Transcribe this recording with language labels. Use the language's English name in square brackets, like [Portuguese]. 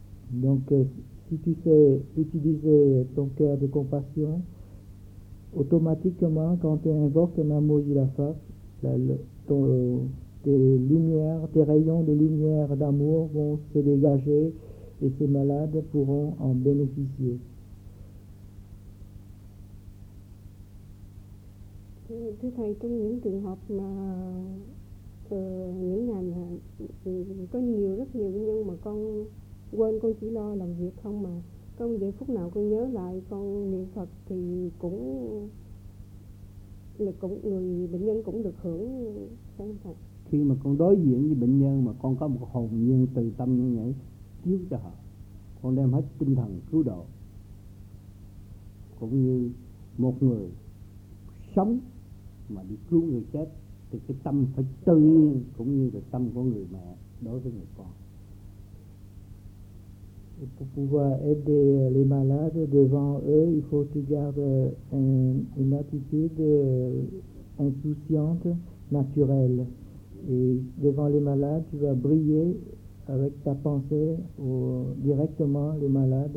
[French] Donc, si tu sais utiliser ton cœur de compassion, automatiquement, quand tu invoques Namo Jidafa, tes rayons de lumière d'amour vont se dégager et ces malades pourront en bénéficier. [Vietnamese] Thưa thầy, trong những trường hợp mà những ngày mà có nhiều rất nhiều bệnh nhân mà con quên, con chỉ lo làm việc không mà Con giây phút nào con nhớ lại con niệm Phật thì cũng là cũng người bệnh nhân cũng được hưởng thân Phật. Khi mà con đối diện với bệnh nhân mà con có một hồn nhiên từ tâm như vậy cứu cho họ, con đem hết tinh thần cứu độ, cũng như một người sống mà đi cứu người chết thì cái tâm phải tự nhiên, cũng như là tâm của người mẹ đối với người con. [French] Et pour pouvoir aider les malades devant eux, il faut que tu gardes une attitude insouciante, naturelle. Et devant les malades, tu vas briller avec ta pensée ou directement les malades.